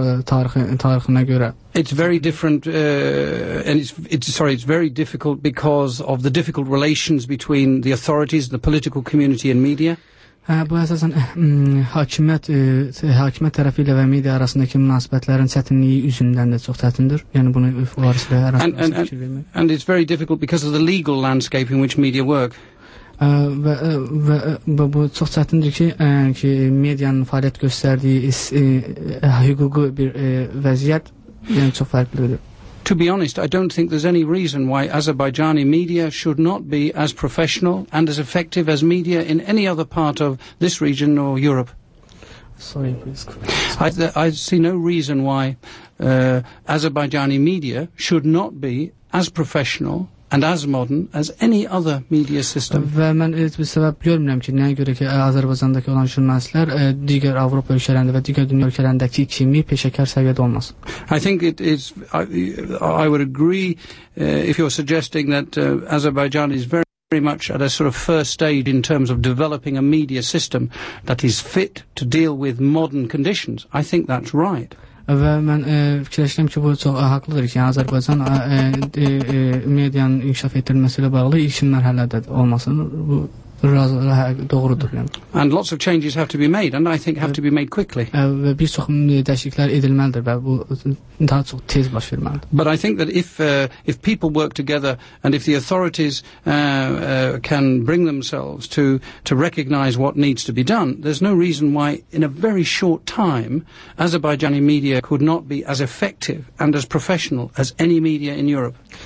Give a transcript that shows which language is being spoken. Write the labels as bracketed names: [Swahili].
[English] It's very different, and it's very difficult because of the difficult relations between the authorities, the political community, and media. [Azerbaijani] Bu əsasən hakimiyyət tərəfi ilə və media arasındakı münasibətlərin çətinliyi üzündən də çox çətindir. Yəni bunu varis ilə arasında fikir vermək. [English] And it's very difficult because of the legal landscape in which media work. [Azerbaijani] Və bu çox çətindir ki medianın fəaliyyət göstərdiyi hüquqi bir vəziyyət yəni çox fərqlidir. [English] To be honest, I don't think there's any reason why Azerbaijani media should not be as professional and as effective as media in any other part of this region or Europe. Sorry, please. I see no reason why Azerbaijani media should not be as professional and as modern as any other media system. [Azerbaijani] Və mən heç bir səbəb görmürəm ki, nəyə görə ki, Azərbaycandakı olan jurnalistlər digər Avropa ölkələrində və digər dünya ölkələrindəki kimi peşəkar səviyyədə olmasın. [English] I think it is, I would agree if you're suggesting that Azerbaijan is very much at a sort of first stage in terms of developing a media system that is fit to deal with modern conditions. I think that's right. [Azerbaijani] Və mən fikirləşirəm ki, bu çox haqlıdır ki, Azərbaycan medianın inkişaf etdirilməsi ilə bağlı ilkin mərhələdədir olmasın. Bu doğrudur. Yəni. [English] And lots of changes have to be made, and I think have to be made quickly. [Azerbaijani] Və bir çox dəyişikliklər edilməlidir və bu daha çox tez baş verməlidir. [English] But I think that if people work together and if the authorities can bring themselves to recognize what needs to be done, there's no reason why in a very short time Azerbaijani media could not be as effective and as professional as any media in Europe.